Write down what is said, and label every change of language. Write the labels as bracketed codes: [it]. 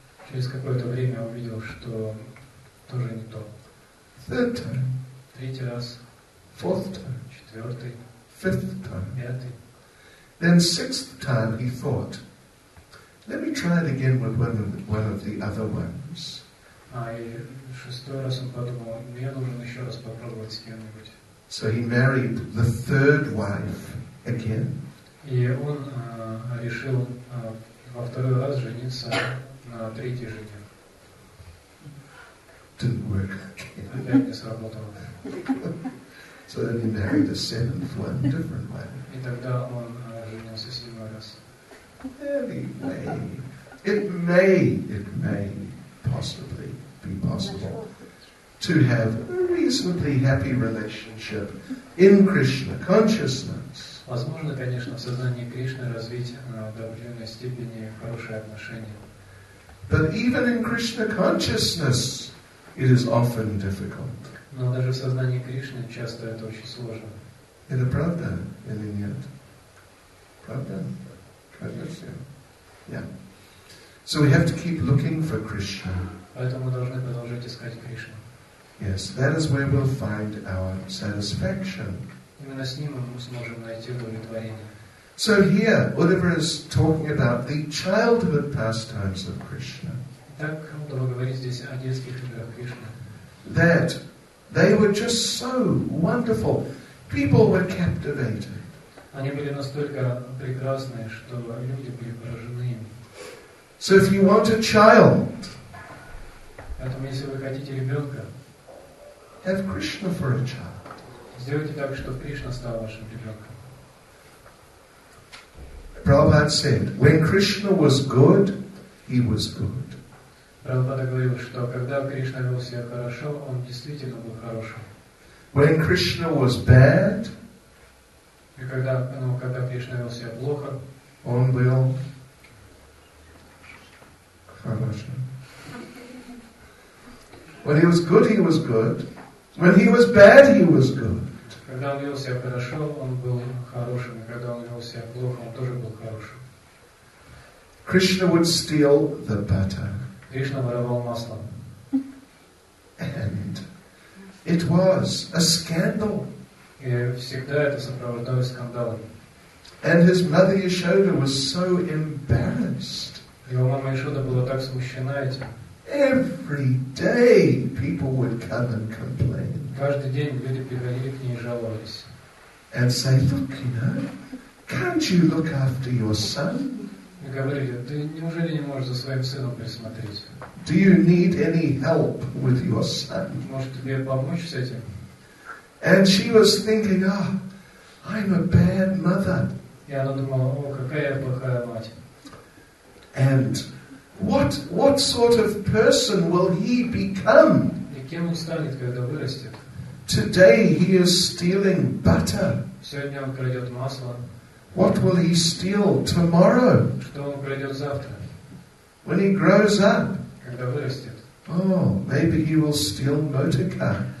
[ru] Через какое-то время увидел, что тоже не то. [en] Third time. [ru] Третий раз. [en] Fourth time. [ru] Четвертый. [en] Fifth time. [ru] Пятый. [en] Then sixth time he thought, let me try it again with one of the other ones. [ru] А и шестой раз он подумал, мне нужно еще раз попробовать с кем-нибудь. [en] So he married the third wife again. [ru] И он решил во второй раз жениться на третьей жене. [en] Didn't work again. [ru] Опять не сработало. [en] So then he married a seventh one, different way. [ru] И тогда он женился 7 раз. [en] Anyway, it may possibly be possible to have a reasonably happy relationship in Krishna consciousness. [ru] Возможно, конечно, в сознании Кришны развить на определенной степени хорошие отношения. [en] But even in Krishna consciousness, it is often difficult. [ru] Но даже в сознании Кришны часто это очень сложно. Это правда или нет? Правда? Кажется, [en] yeah. So we have to keep looking for Krishna. [ru] Поэтому мы должны продолжать искать Кришну. [en] Yes, that is where we'll find our satisfaction. [ru] Именно с ним мы сможем найти удовлетворение. [en] So here, Uddhava is talking about the childhood pastimes of Krishna. [ru] Так Уддхава говорит здесь о детских играх Кришны. [en] That they were just so wonderful. People were captivated. [ru] Они были настолько прекрасны, что люди были поражены им. [en] So if you want a child, [ru] поэтому если вы хотите ребенка, [en] have Krishna for a child. [ru] Сделайте так, чтобы Кришна стал вашим ребенком. [en] Prabhupada said, when Krishna was good, he was good. [ru] Прабхупада говорил, что когда Кришна вел себя хорошо, он действительно был хорошим. [en] When Krishna was bad, [ru] и когда Кришна вел себя плохо, он был хорошим. [en] When he was good, he was good. When he was bad, he was good. [ru] Когда он вел себя хорошо, он был хорошим. И когда он вел себя плохо, он тоже был хорошим. [en] Krishna would steal the butter. [ru] Кришна воровал масло. [en] And it was a scandal. [ru] И всегда это сопровождалось скандалом. [en] And his mother Yashoda was so embarrassed. [ru] Его мама Яшода была так смущена этим. [en] Every day people would come and complain. [ru] Каждый день люди приходили к ней и жаловались. [en] And say, look, you know, can't you look after your son? [ru] И говорили, ты неужели не можешь за своим сыном присмотреть? [en] Do you need any help with your son? [ru] Может, тебе помочь с этим? [en] And she was thinking, ah, I'm a bad mother. [ru] И она думала, о, какая я плохая мать. [en] And what sort of person will he become? [ru] И кем он станет, когда вырастет? [en] Today he is stealing butter. [ru] Сегодня он крадет масло. [en] What will he steal tomorrow? [ru] Что он крадет завтра? [en] When he grows up. [ru] Когда вырастет. [en] Oh, maybe he will steal motor cars.